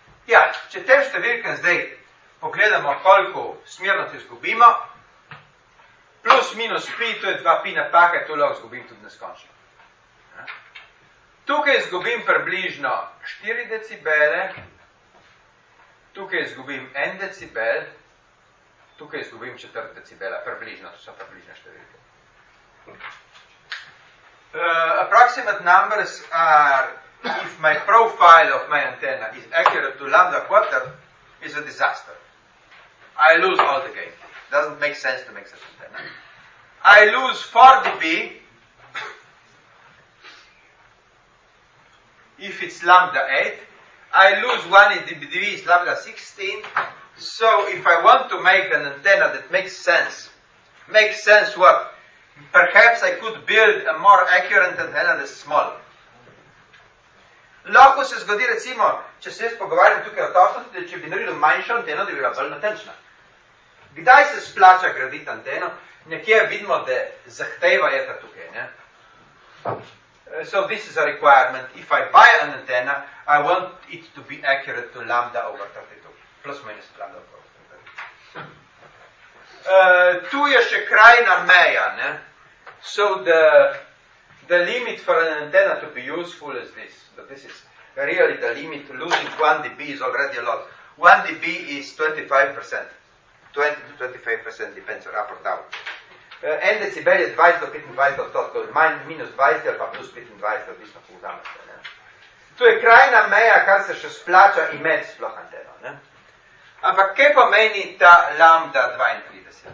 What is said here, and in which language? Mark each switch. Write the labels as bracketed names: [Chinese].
[Slovenian] Ja, če te številke zdaj pogledamo, koliko smernosti izgubimo, plus minus pi, to je 2 pi napaka, to lahko izgubim tudi neskončno. Tukaj izgubim približno 4 decibele, tukaj izgubim 1 decibel, tukaj izgubim 4 decibela, približno, to so približne številke. [English] Approximate numbers are, if my profile of my antenna is accurate to lambda quarter, is a disaster. I lose all the gain. Doesn't make sense to make such antenna. I lose 4 dB if it's lambda 8. I lose 1 dB is lambda 16. So if I want to make an antenna that makes sense what? Perhaps I could build a more accurate antenna that's smaller. [Slovenian] Lahko se zgodi recimo, če se jaz pogovarjam tukaj o točnosti, da če bi naredil manjšo anteno, da bi bila bolj natančna. Kdaj se splača graditi anteno? Nekje vidimo, da zahteva je ta tukaj. Ne? [English] So this is a requirement. If I buy an antenna, I want it to be accurate to lambda over 32. Plus minus lambda over 32. [Slovenian] Tu je še krajna meja. Ne? [English] So the limit for an antenna to be useful is this. But this is really the limit. Losing 1 dB is already a lot. 1 dB is 25%. 20-25% depends on up or down. [Slovenian] N decibel je 20-25%, minus 20 ali pa plus 25, odvisno kako vzamete. To je krajna meja, kar se še splača imeti sploh anteno. Ne? Ampak kaj pomeni ta lambda 32?